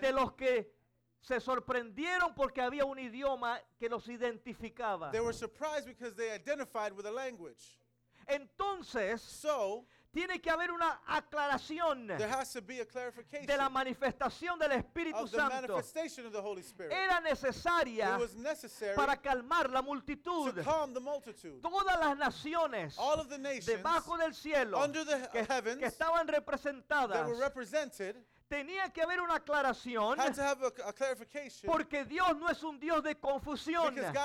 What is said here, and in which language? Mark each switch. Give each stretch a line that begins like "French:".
Spanish: de los que se sorprendieron porque había un idioma que los identificaba.
English: They were surprised because they identified with a language.
Spanish: Entonces
English: so
Spanish: tiene que haber una aclaración de la manifestación del Espíritu Santo. Era necesaria para calmar la multitud. Todas las naciones debajo del cielo que estaban representadas tenía que haber una aclaración porque Dios no es un Dios de confusión.